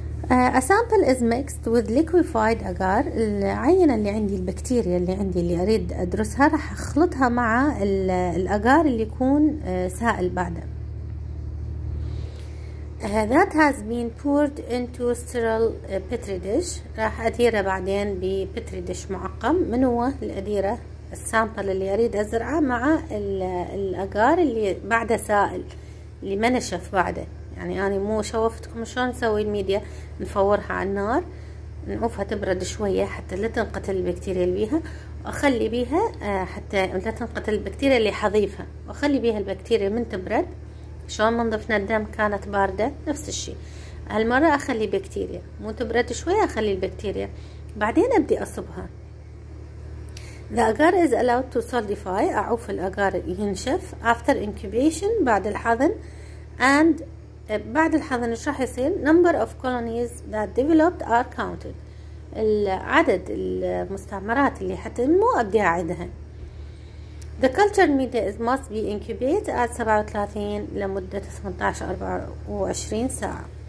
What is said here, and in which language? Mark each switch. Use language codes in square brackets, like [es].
[en] A sample is mixed with liquefied agar، [ar] العينة اللي عندي البكتيريا اللي عندي اللي أريد أدرسها راح أخلطها مع الأجار اللي يكون سائل بعده. [en] That has been poured into a sterile petri dish، [ar] راح أديره بعدين ببتري ديش معقم. من هو الأديرة؟ السامبل اللي أريد أزرعه مع الأجار اللي بعده سائل اللي ما نشف بعده، يعني أنا مو شوفتكم شلون نسوي الميديا، نفورها على النار نعوفها تبرد شوية حتى لا تنقتل البكتيريا اللي بيها، وأخلي بيها حتى لا تنقتل البكتيريا اللي حضيفها، وأخلي بيها البكتيريا من تبرد. شلون منضفنا الدم كانت باردة؟ نفس الشيء، هالمرة أخلي بكتيريا، مو تبرد شوية أخلي البكتيريا، بعدين أبدي أصبها. [en] The agar is allowed to solidify. [ar] أعوف الأجار ينشف [en] after incubation [ar] بعد الحضن. [en] And [ar] بعد الحضن إيش راح يصير؟ [en] Number of colonies that developed are counted. [ar] العدد المستعمرات اللي حتنمو أبدي أعدها. [en] The culture media is must be incubated at 37 [ar] لمدة 18-24 ساعة.